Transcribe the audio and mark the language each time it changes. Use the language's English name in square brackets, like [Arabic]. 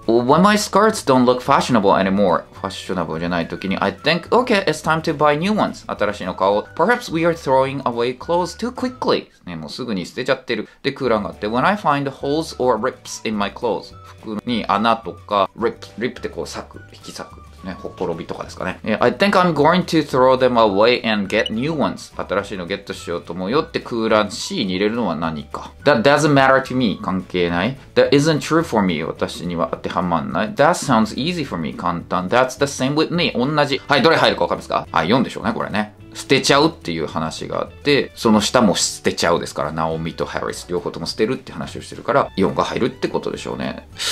[English] When my skirts don't look fashionable anymore. [Japanese] ファッショナブルじゃない時に、 [English] I think, okay, it's time to buy new ones. [Japanese] 新しいの買おう。 [English] Perhaps we are throwing away clothes too quickly.、 [Japanese] ね、もうすぐに捨てちゃってる。で、空欄があって、 [English] When I find holes or rips in my clothes. [Japanese] 服に穴とか、rip ってこう裂く、引き裂く。ね、ほころびとかですかね。 [English] I think I'm going to throw them away and get new ones. [Japanese] 新しいのゲットしようと思うよって空欄 C に入れるのは何か。 [English] That doesn't matter to me. [Japanese] 関係ない。 [English] That isn't true for me. [Japanese] 私には当てはまんない。 [English] That sounds easy for me. [Japanese] 簡単。 [English] That's the same with me. [Japanese] 同じ。はい、どれ入るかわかりますか？はい、4でしょうね、これね。捨てちゃうっていう話があって、その下も捨てちゃうですから、ナオミとハリス両方とも捨てるって話をしてるから、4が入るってことでしょうね。